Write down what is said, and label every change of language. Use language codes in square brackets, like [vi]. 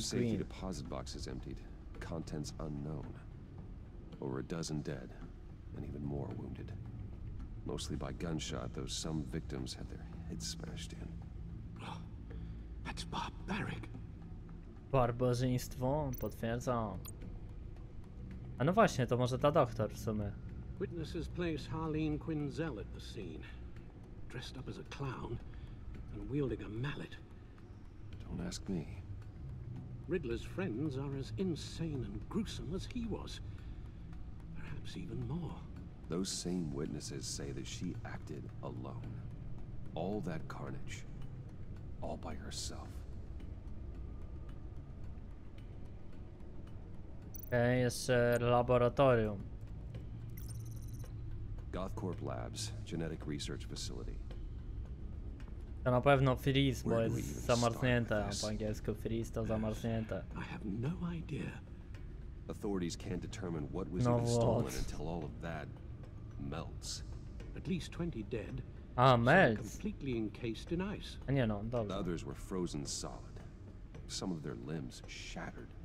[en] Some safety deposit boxes emptied. Contents unknown. Over a dozen dead. And even more wounded. Mostly by gunshot, though some victims had their heads smashed in. Oh, that's barbaric. [pl] Barbarzyństwo, potwierdzam. A no właśnie, to może ta doktor w sumie. [en] Witnesses place Harleen Quinzel at the scene, dressed up as a clown and wielding a mallet. Don't ask me. Riddler's friends are as insane and gruesome as he was. Perhaps even more. Those same witnesses say that she acted alone. All that carnage, all by herself. [pl] Jeszcze laboratorium. [en] Gothcorp Labs, genetic research facility. [pl] To na pewno freeze, bo jest zamarznięte. Po angielsku freeze to zamarznięte. [en] I have no idea. Authorities can't determine what was even stolen until all of that melts. At least 20 dead. A melt. Completely encased in ice. [pl] A nie, no, dobrze. [en] Others were frozen solid. Some of their limbs shattered.